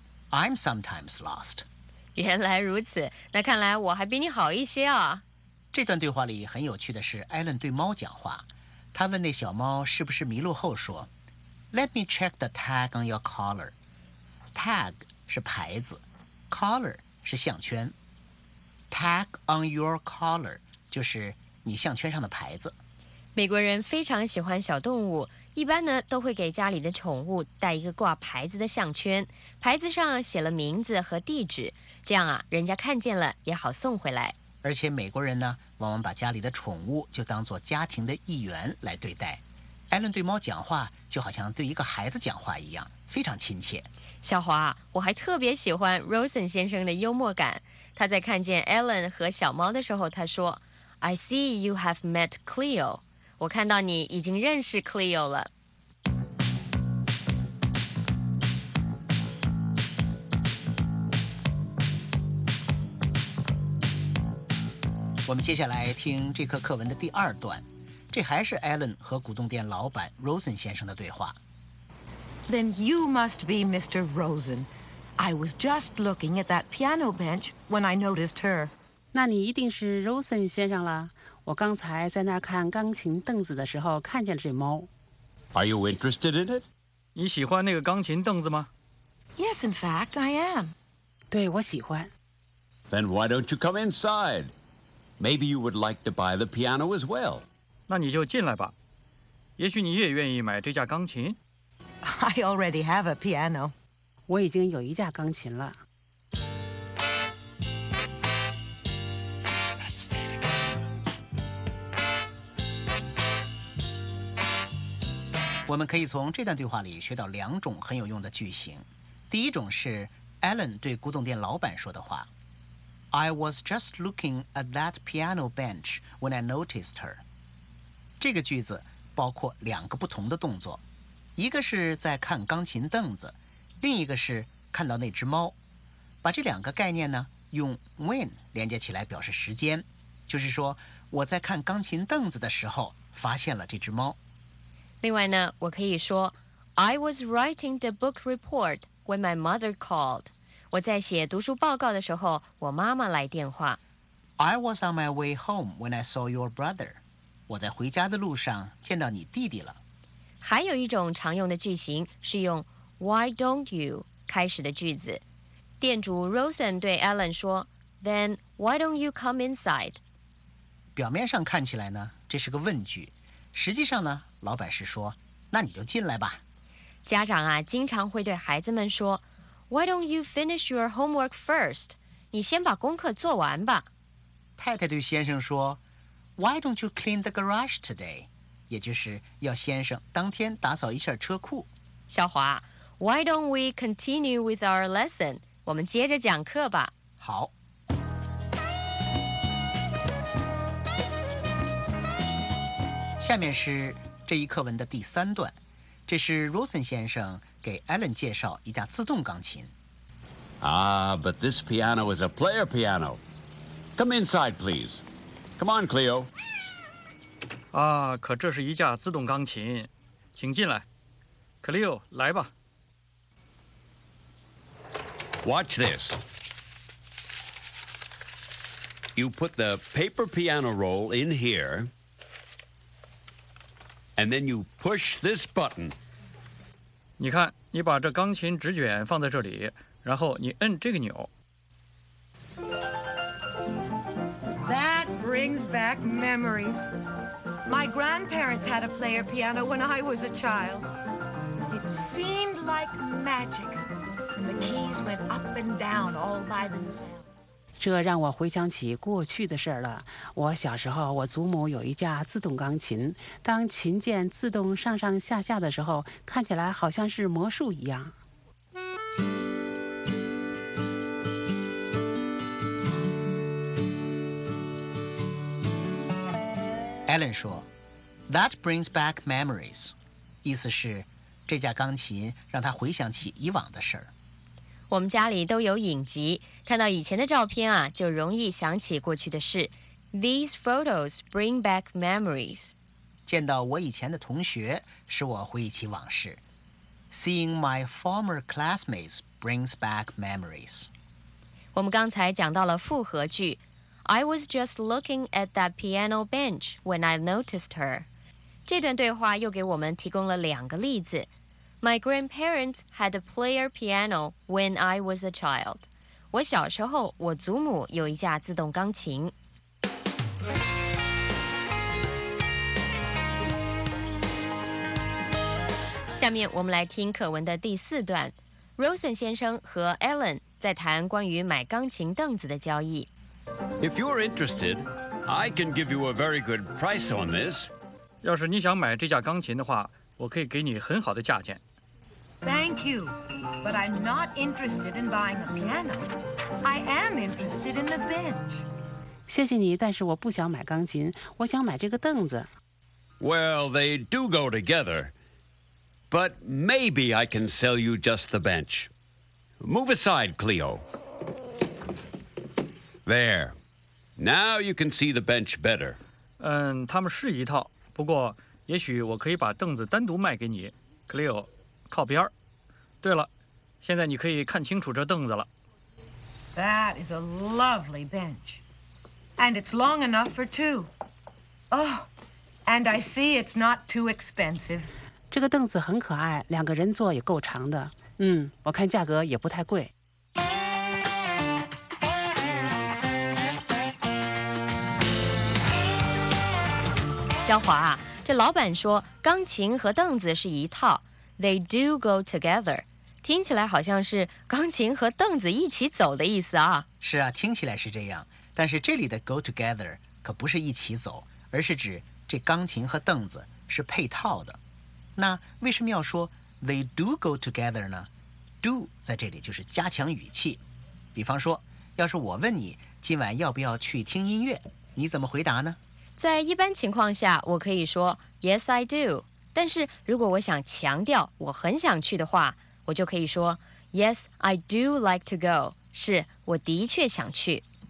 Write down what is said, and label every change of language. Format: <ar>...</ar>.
<en>I'm sometimes lost.</en> <zh>原来如此，那看来我还比你好一些啊。这段对话里很有趣的是，艾伦对猫讲话。他问那小猫是不是迷路后说</zh> <en>Let me check the tag on your collar.</en> <zh>Tag 是牌子， collar 是项圈。</zh> <en>Tag on your collar</en> <zh>就是你项圈上的牌子。美国人非常喜欢小动物，一般呢都会给家里的宠物带一个挂牌子的项圈，牌子上写了名字和地址，这样啊人家看见了也好送回来。而且美国人呢，往往把家里的宠物就当作家庭的一员来对待。艾伦对猫讲话就好像对一个孩子讲话一样，非常亲切。小华，我还特别喜欢 Rosen 先生的幽默感。他在看见艾伦和小猫的时候，他说 ：</zh> <en>“I see you have met Cleo。”</en> <zh>我看到你已经认识 Cleo 了。我们接下来听这课课文的第二段，这还是 Alan 和古董店老板 Rosen 先生的对话。</zh> <en>Then you must be Mr. Rosen. I was just looking at that piano bench when I noticed her.</en> <zh>那你一定是 Rosen 先生了。我刚才在那儿看钢琴凳子的时候看见了这猫。</zh> <en>Are you interested in it?</en> <zh>你喜欢那个钢琴凳子吗？</zh> <en>Yes, in fact, I am.</en> <zh>对，我喜欢。</zh> <en>Then why don't you come inside? Maybe you would like to buy the piano as well.</en> <zh>那你就进来吧。也许你也愿意买这架钢琴。</zh> <en>I already have a piano.</en> <zh>我已经有一架钢琴了。我们可以从这段对话里学到两种很有用的句型。第一种是 Alan 对古董店老板说的话。</zh> <en>I was just looking at that piano bench when I noticed her.</en> <zh>这个句子包括两个不同的动作，一个是在看钢琴凳子，另一个是看到那只猫。把这两个概念呢，用 when 连接起来表示时间，就是说我在看钢琴凳子的时候发现了这只猫。另外呢，我可以说</zh> <en>I was writing the book report when my mother called.</en> <zh>我在写读书报告的时候，我妈妈来电话。</zh> <en>I was on my way home when I saw your brother.</en> <zh>我在回家的路上见到你弟弟了。还有一种常用的句型是用</zh> <en>Why don't you</en> <zh>开始的句子。店主 Rosen 对 Alan 说</zh> <en>Then why don't you come inside?</en> <zh>表面上看起来呢，这是个问句。实际上呢，老板是说，那你就进来吧。家长啊，经常会对孩子们说</zh> <en>Why don't you finish your homework first?</en> <zh>你先把功课做完吧。太太对先生说</zh> <en>Why don't you clean the garage today?</en> <zh>也就是要先生当天打扫一下车库。</zh> <en>小华 Why don't we continue with our lesson?</en> <zh>我们接着讲课吧。好。下面是这一课文的第三段。这是 Rosen 先生给 Alan 介绍一架自动钢琴。</zh> <en>Ah, but this piano is a player piano. Come inside, please. Come on, Cleo.</en> <zh>啊，可这是一架自动钢琴，请进来。 Cleo, 来吧。</zh> <en>Watch this. You put the paper piano roll in here, and then you push this button.</en> <zh>你看，你把这钢琴纸卷放在这里，然后你摁这个钮。</zh> <en>That brings back memories. My grandparents had a player piano when I was a child. It seemed like magic. The keys went up and down all by themselves.</en> <zh>这让我回想起过去的事了。我小时候，我祖母有一架自动钢琴，当琴键自动上上下下的时候，看起来好像是魔术一样。</zh> <en>Alan 说 That brings back memories.</en> <zh>意思是这架钢琴让他回想起以往的事。我们家里都有影集，看到以前的照片啊，就容易想起过去的事。</zh> <en>These photos bring back memories.</en> <zh>见到我以前的同学，使我回忆起往事。</zh> <en>Seeing my former classmates brings back memories.</en> <zh>我们刚才讲到了复合句。</zh> <en>I was just looking at that piano bench when I noticed her.</en> <zh>这段对话又给我们提供了两个例子。</zh> <en>My grandparents had a player piano when I was a child.</en> <zh>我小时候，我祖母有一架自动钢琴。下面我们来听课文的第四段。Rosen 先生和 Alan 在谈关于买钢琴凳子的交易。</zh> <en>If you're interested, I can give you a very good price on this.</en> <zh>要是你想买这架钢琴的话，我可以给你很好的价钱。</zh> <en>Thank you, but I'm not interested in buying a piano. I am interested in the bench.</en> <zh>谢谢你，但是我不想买钢琴，我想买这个凳子。</zh> <en>Well, they do go together, but maybe I can sell you just the bench. Move aside, Cleo. There. Now you can see the bench better.</en> <zh>嗯，他们是一套，不过也许我可以把凳子单独卖给你。 Cleo， 靠边。对了，现在你可以看清楚这凳子了。</zh> <en>That is a lovely bench. And it's long enough for two. Oh, and I see it's not too expensive.</en> <zh>这个凳子很可爱，两个人坐也够长的。嗯，我看价格也不太贵。肖华啊，这老板说钢琴和凳子是一套，</zh> <en>They do go together，</en> <zh>听起来好像是钢琴和凳子一起走的意思啊。是啊，听起来是这样，但是这里的 go together 可不是一起走，而是指这钢琴和凳子是配套的。那为什么要说</zh> <en>They do go together</en> <zh>呢？ Do 在这里就是加强语气。比方说，要是我问你今晚要不要去听音乐，你怎么回答呢？在一般情况下我可以说</zh> <en>Yes, I do，</en> <zh>但是如果我想强调我很想去的话，我就可以说</zh> <en>Yes, I do like to go，</en> <zh>是我的确想去。</zh>